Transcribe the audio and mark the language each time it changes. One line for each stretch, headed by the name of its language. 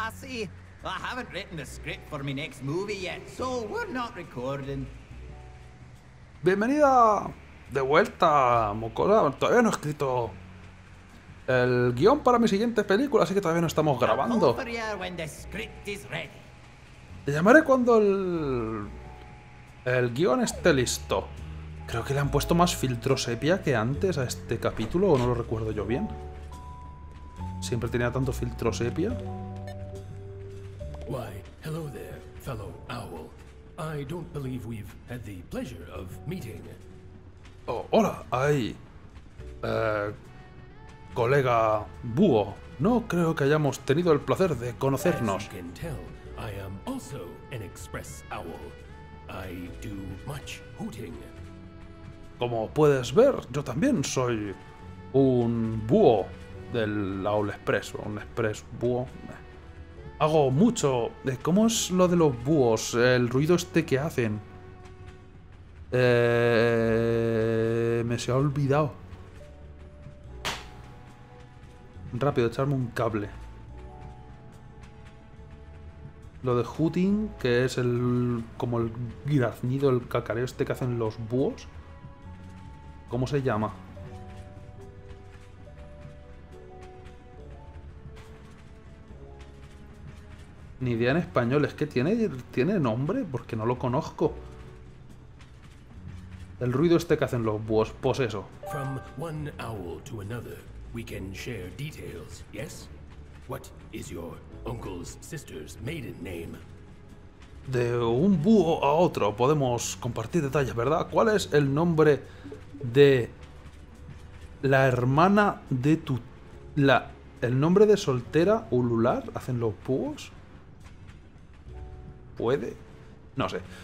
English: I haven't written the script for my next movie yet, so we're not recording.
Spanish: Bienvenida de vuelta, mocosa. Todavía no he escrito el guión para mi siguiente película, así que todavía no estamos grabando.
English: I'll call for you when the script is ready.
Spanish: Te llamaré cuando el guión esté listo. Creo que le han puesto más filtro sepia que antes a este capítulo, o no lo recuerdo yo bien. Siempre tenía tanto filtro sepia.
English: Why, hello there, fellow owl. I don't believe we've had the pleasure of meeting.
Spanish: Oh, hola, ay. Colega búho, no creo que hayamos tenido el placer de conocernos.
English: As you can tell, I am also an express owl. I do much hooting.
Spanish: Como puedes ver, yo también soy un búho del Owl Express, un express búho. Hago mucho. ¿Cómo es lo de los búhos? El ruido este que hacen. Me se ha olvidado. Rápido, echarme un cable. Lo de hooting, que es el... como el graznido, el cacareo este que hacen los búhos. ¿Cómo se llama? Ni idea en español, es que tiene nombre, porque no lo conozco. El ruido este que hacen los búhos, pues eso.
English: From one owl to another, we can share details, yes? What is your uncle's sister's maiden name?
Spanish: De un búho a otro podemos compartir detalles, ¿verdad? ¿Cuál es el nombre de la hermana de tu... la el nombre de soltera ulular? ¿Hacen los búhos? ¿Puede? No sé.